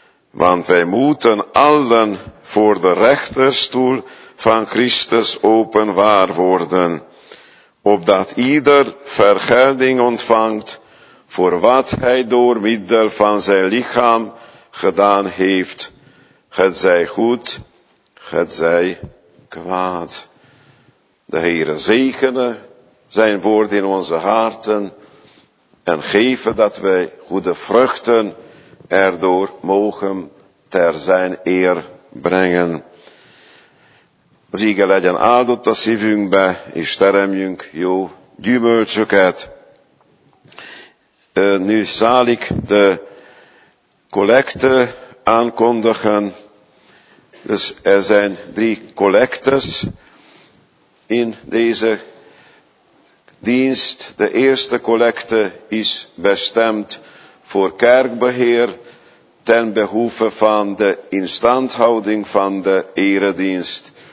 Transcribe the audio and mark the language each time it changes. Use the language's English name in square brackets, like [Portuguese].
[Dutch] Want wij moeten allen voor de rechterstoel van Christus openbaar worden, opdat ieder vergelding ontvangt voor wat hij door middel van zijn lichaam gedaan heeft, het zij goed, het zij kwaad. De Heere zegene zijn woord in onze harten en geven dat wij goede vruchten erdoor mogen ter zijn eer brengen. [Hungarian] Az ige legyen áldott a szívünkbe, és teremjünk jó gyümölcsöket. [Dutch] Nu zal ik de collecte aankondigen. Dus er zijn drie collectes in deze dienst. De eerste collecte is bestemd voor kerkbeheer ten behoeve van de instandhouding van de eredienst.